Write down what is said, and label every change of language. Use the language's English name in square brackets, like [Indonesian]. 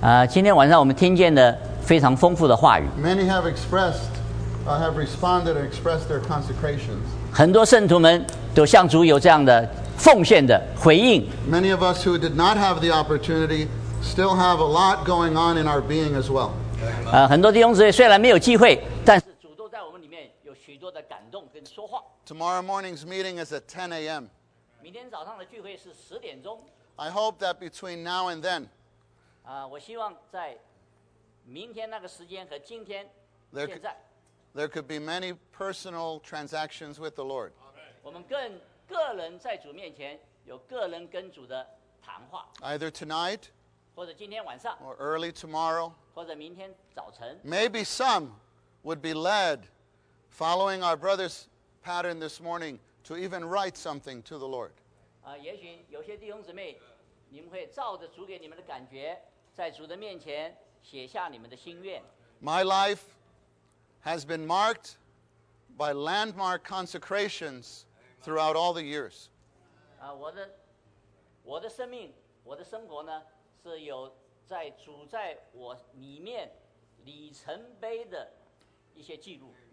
[Chinese] 今天晚上我们听见的非常丰富的话语。 [English] Many have expressed, have responded and expressed their consecrations. [Chinese] 很多圣徒们都向主有这样的奉献的回应。 [English] Many of us who did not have the opportunity still have a lot going on in our being as well. [Chinese] 很多弟兄姊妹虽然没有机会，但是主都在我们里面有许多的感动跟说话。 [English] Tomorrow morning's meeting is at 10 a.m. [Chinese] 明天早上的聚会是十点钟。 [English] I hope that between now and then. [Chinese] 我希望在明天那个时间和今天现在 [English] there could be many personal transactions with the Lord. [Chinese] 我们个人在主面前有个人跟主的谈话 [English] Either tonight [Chinese] 或者今天晚上, [English] or early tomorrow, [Chinese] 或者明天早晨, [English] maybe some would be led, following our brother's pattern this morning, to even write something to the Lord. [Chinese] 也许有些弟兄姊妹, 你们会照着主给你们的感觉, 在主的面前写下你们的心愿。 [English] My life has been marked by landmark consecrations throughout all the years. [Chinese] 我的生命,我的生活呢,是有在主在我里面里程碑的一些记录。